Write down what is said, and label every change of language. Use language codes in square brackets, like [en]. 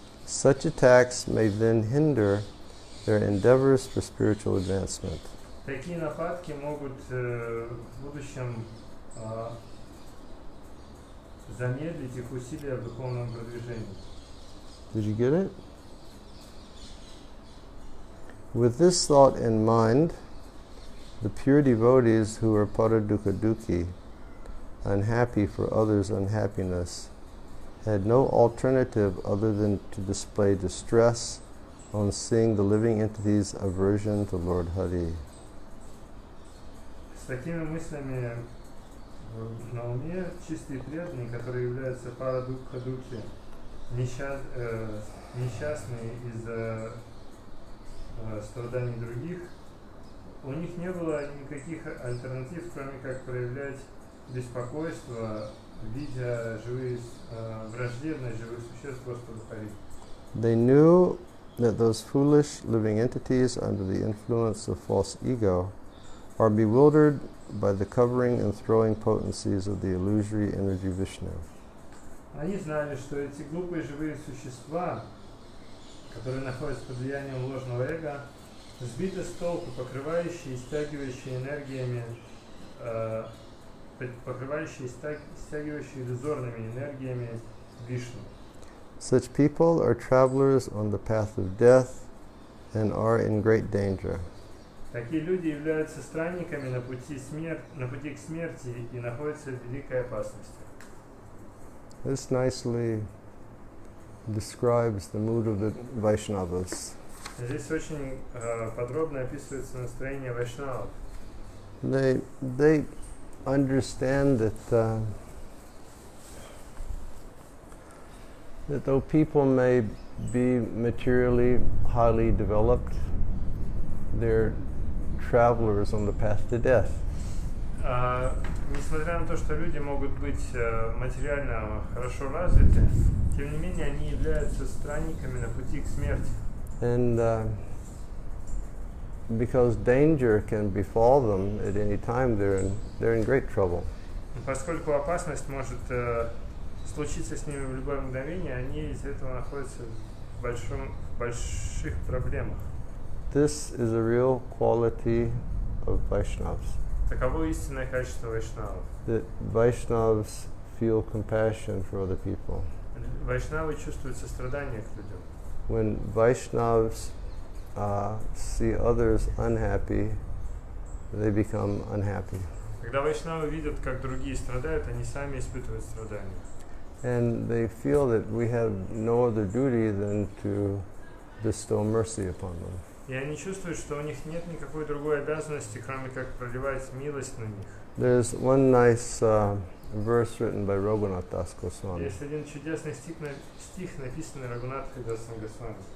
[en] Such attacks may then hinder their endeavors for spiritual advancement. [ru] Такие нападки могут в будущем замедлить их усилия в духовном продвижении. [en] Did you get it? With this thought in mind, the pure devotees who are paradukaduki, unhappy for others' unhappiness, had no alternative other than to display distress on seeing the living entity's aversion to Lord Hari. [ru] С такими мыслями на уме чистые преданные, которые являются парадукхадуки, несчастные из-за страданий других, у них не было никаких альтернатив, кроме как проявлять беспокойство, видя враждебность живых существ Господа Хари. [en] They knew that those foolish living entities under the influence of false ego are bewildered by the covering and throwing potencies of the illusory energy Vishnu. [ru] Они знали, что эти глупые живые существа, которые находятся под влиянием ложного эго, сбиты с толку, покрывающие и стягивающие иллюзорными энергиями Вишну. [en] Such people are travelers on the path of death and are in great danger. [ru] Такие люди являются странниками на пути к смерти и находятся в великой опасности. [en] This nicely describes the mood of the Vaishnavas. [ru] Здесь очень подробно описывается настроение Вайшнавов. [en] They understand that that though people may be materially highly developed, they're travelers on the path to death. [ru] Несмотря на то, что люди могут быть материально хорошо развиты, тем не менее они являются странниками на пути к смерти. [en] And because danger can befall them at any time, they're in great trouble. [ru] Поскольку опасность может случиться с ними в любое мгновение, они из-за этого находятся в больших проблемах. [en] This is a real quality of Vaishnavas. [ru] Таково истинное качество Вайшнавов. [en] That Vaishnavas feel compassion for other people. [ru] Вайшнавы чувствуют сострадание к людям. [en] When Vaishnavas see others unhappy, they become unhappy. [ru] Когда Вайшнавы видят, как другие страдают, они сами испытывают страдания. [en] And they feel that we have no other duty than to bestow mercy upon them. [ru] И они чувствуют, что у них нет никакой другой обязанности, кроме как проливать милость на них. [en] There's one nice verse written by Raghunath Das Goswami. [ru] Есть один чудесный стих, написанный Рагунатхой Дасом Госвами.